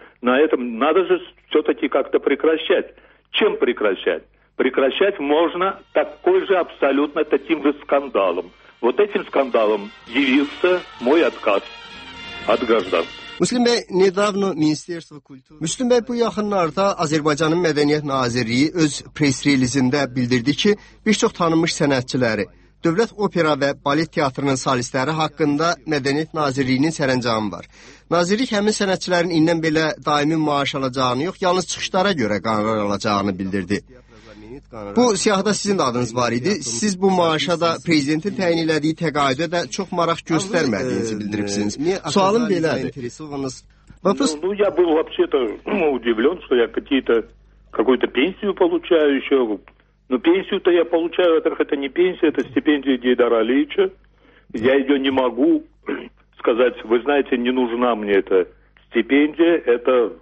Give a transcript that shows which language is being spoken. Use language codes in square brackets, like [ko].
[ru] На этом надо же все-таки как-то прекращать. Чем прекращать? Прекращать можно такой же абсолютно таким же скандалом. Вот этим скандалом явился мой отказ от граждан. Müslüm Bey, недавно Министерство культуры... [az] Müslüm Bey, bu yaxınlarda Azərbaycanın Mədəniyyət Nazirliyi öz press releasində bildirdi ki, bir çox tanınmış sənətçiləri, Dövlət Opera və Balet Teatrının salistləri haqqında Mədəniyyət Nazirliyinin sərəncamı var. Nazirlik həmin sənətçilərin indən belə daimi maaş alacağını yox, yalnız çıxışlara görə qanunlar alacağını bildirdi. Bu siyahıda sizin de adınız var idi. Siz bu maaşa da prezidentin təyin elədiyi təqaüdə də çox maraq göstərmədiyinizi bildiribsiniz. Sualım belədir. [ru] Ну я был вообще-то удивлен, что я какую-то пенсию получаю еще. Но пенсию-то я получаю, во-первых, это не пенсия, это стипендия Гейдара Алиевича. Я ее не могу сказать, вы знаете, не нужна мне эта стипендия, это...